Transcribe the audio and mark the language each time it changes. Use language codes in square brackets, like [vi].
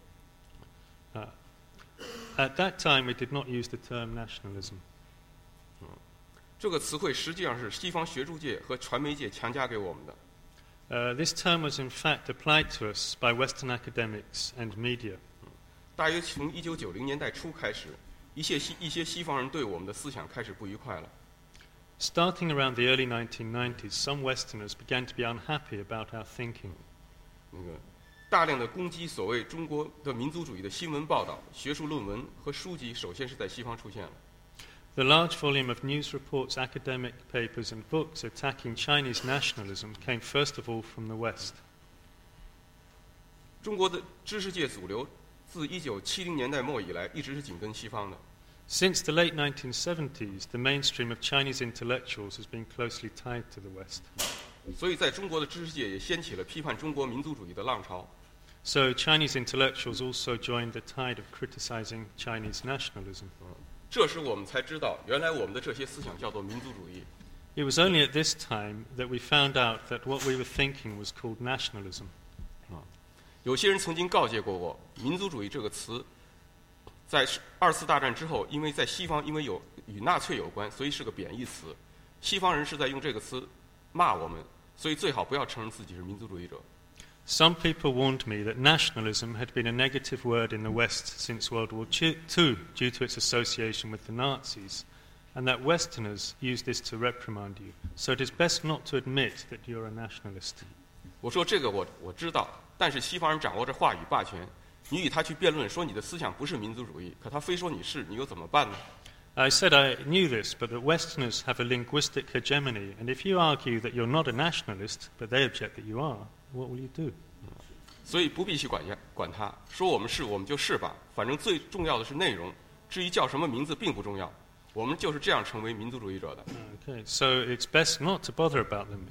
[zh] 我们当时并没有使用种族民族主义这个词汇。如前所述，我们甚至没有听说过这个词汇。 [en] At that time, we did not use the term nationalism. [zh] 这个词汇实际上是西方学术界和传媒界强加给我们的。 [en] This term was in fact applied to us by Western academics and media. [zh] 大约从1990年代初开始，一些西方人对我们的思想开始不愉快了。 [en] Starting around the early 1990s, some Westerners began to be unhappy about our thinking. [zh] 大量的攻击所谓中国的民族主义的新闻报道、学术论文和书籍，首先是在西方出现了。 [en] The large volume of news reports, academic papers, and books attacking Chinese nationalism came first of all from the West. [zh] 中国的知识界主流自1970年代末以来一直是紧跟西方的。 [en] Since the late 1970s, the mainstream of Chinese intellectuals has been closely tied to the West. [zh] 所以在中国的知识界也掀起了批判中国民族主义的浪潮。 [en] So Chinese intellectuals also joined the tide of criticizing Chinese nationalism. [zh] 这时我们才知道，原来我们的这些思想叫做民族主义。 [en] It was only at this time that we found out that what we were thinking was called nationalism. [zh] 有些人曾经告诫过我，民族主义这个词在二次大战之后，因为在西方，因为有与纳粹有关，所以是个贬义词。西方人是在用这个词骂我们，所以最好不要承认自己是民族主义者。 [en] Some people warned me that nationalism had been a negative word in the West since World War II due to its association with the Nazis, and that Westerners used this to reprimand you. So it is best not to admit that you're a nationalist. [zh] 我说这个我知道，但是西方人掌握着话语霸权。你与他去辩论，说你的思想不是民族主义，可他非说你是，你又怎么办呢？ [en] I said I knew this, but that Westerners have a linguistic hegemony, and if you argue that you're not a nationalist, but they object that you are, what will you do? [zh] 所以不必去管他，说我们是，我们就是吧，反正最重要的是内容，至于叫什么名字并不重要，我们就是这样成为民族主义者的。 [en] Okay, so it's best not to bother about them.